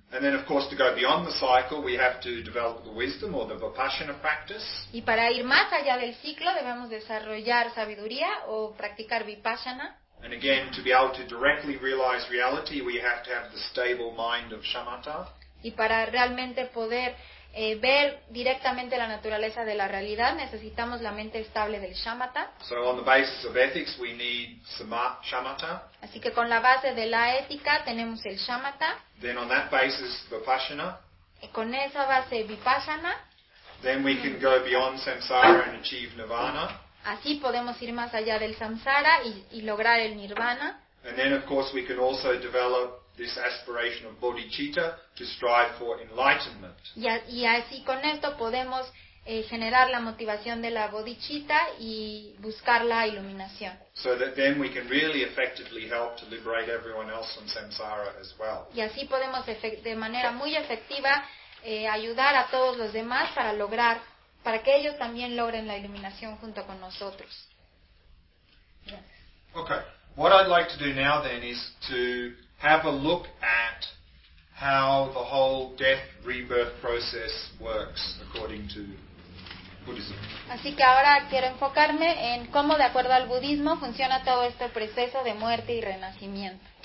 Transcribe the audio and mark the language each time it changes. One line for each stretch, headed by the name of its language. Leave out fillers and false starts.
English: And then of course to go beyond the cycle we have to develop the wisdom or the vipassana practice.
Spanish: Y para ir más allá del ciclo debemos desarrollar sabiduría o practicar vipassana.
English: And again, to be able to directly realize reality we have to have the stable mind of shamatha.
Spanish: Y para realmente poder ver directamente la naturaleza de la realidad necesitamos la mente estable del shamatha.
English: So on the basis of ethics we need shamatha.
Spanish: Así que con la base de la ética tenemos el shamatha.
English: Then on that basis vipassana.
Spanish: Y con esa base vipassana.
English: Then we can go beyond samsara and achieve nirvana.
Spanish: Así podemos ir más allá del samsara y lograr el nirvana.
English: And then of course we can also develop this aspiration of bodhicitta to strive for enlightenment.
Spanish: Y así con esto podemos generar la motivación de la bodhicitta y buscar la iluminación.
English: So that then we can really effectively help to liberate everyone else from samsara as well.
Spanish: Y así podemos de manera muy efectiva ayudar a todos los demás para lograr, para que ellos también logren la iluminación junto con nosotros.
English: Yes. Okay. What I'd like to do now then is to have a look at how the whole death rebirth process works according to Buddhism.
Spanish: Así que ahora quiero enfocarme en cómo de acuerdo al budismo funciona todo este proceso de muerte y renacimiento.